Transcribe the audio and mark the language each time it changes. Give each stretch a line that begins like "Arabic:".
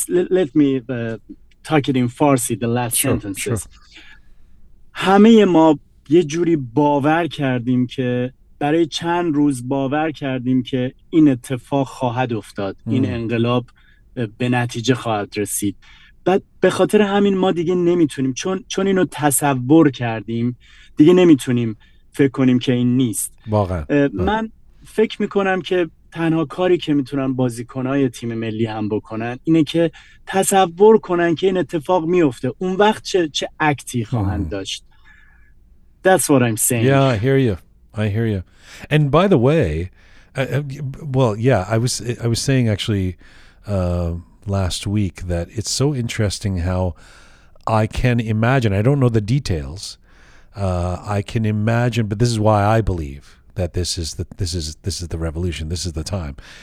English: Let me talk it in Farsi, the last sentences.
Persian: همه ما یه جوری باور کردیم که برای چند روز باور کردیم که این اتفاق خواهد افتاد. این انقلاب به نتیجه خواهد رسید. بعد به خاطر همین ما دیگه نمیتونیم چون اینو تصور کردیم دیگه نمیتونیم فکر کنیم که این نیست. واقعا من فکر میکنم که تنها کاری که میتونن بازیکنای تیم ملی هم بکنن اینه که تصور کنن که این اتفاق میفته، اون وقت چه اکتی خواهند داشت.
English: That's what I'm saying. Yeah, I hear you. I hear you. And by the way, I was saying actually last week that it's so interesting how I can imagine. I don't know the details. I can imagine, but this is why I believe that this is the revolution. This is the time.